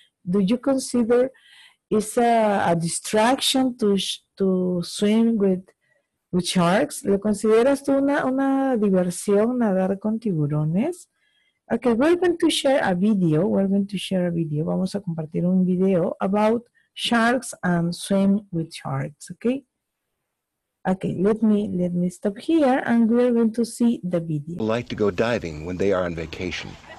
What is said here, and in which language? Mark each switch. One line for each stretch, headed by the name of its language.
English: Do you consider it's a distraction to swim with sharks?
Spanish: ¿Lo consideras tú una diversión nadar con tiburones?
English: Ok, we're going to share a video,
Spanish: vamos a compartir un video
English: about sharks and swim with sharks, ok? Ok, let me stop here and we're going to see the video. Like to go diving when they are on vacation.